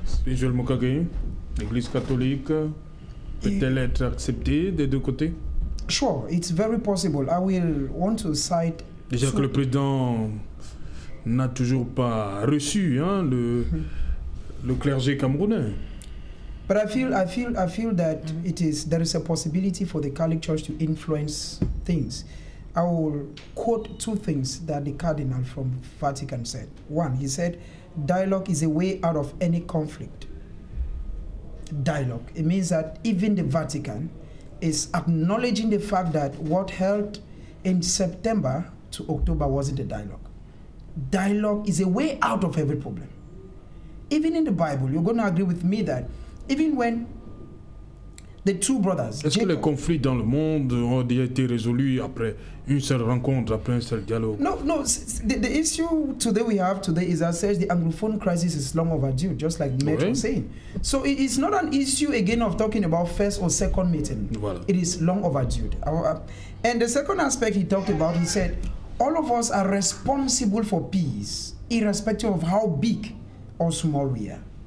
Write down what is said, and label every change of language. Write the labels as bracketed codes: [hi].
[fr] Michel Mukage, l'Église catholique peut-elle être acceptée des deux côtés? [en] Sure, it's very possible. I will want to cite. [fr] Déjà que le président n'a toujours pas reçu le clergé camerounais. [en] But I feel that there is a possibility for the Catholic Church to influence things. I will quote two things that the cardinal from Vatican said. One, he said, dialogue is a way out of any conflict. Dialogue. It means that even the Vatican is acknowledging the fact that what held in September to October wasn't a dialogue. Dialogue is a way out of every problem. Even in the Bible, you're going to agree with me that even when the two brothers. [fr] Est-ce que les conflits dans le monde ont déjà été résolus après une seule rencontre, après un seul dialogue? [en] No. The issue today is that the Anglophone crisis is long overdue, just like Matt was saying. So it's not an issue again of talking about first or second meeting. [fr] Voilà. [en] It is long overdue. And the second aspect he talked about, he said, all of us are responsible for peace, irrespective of how big or small we are.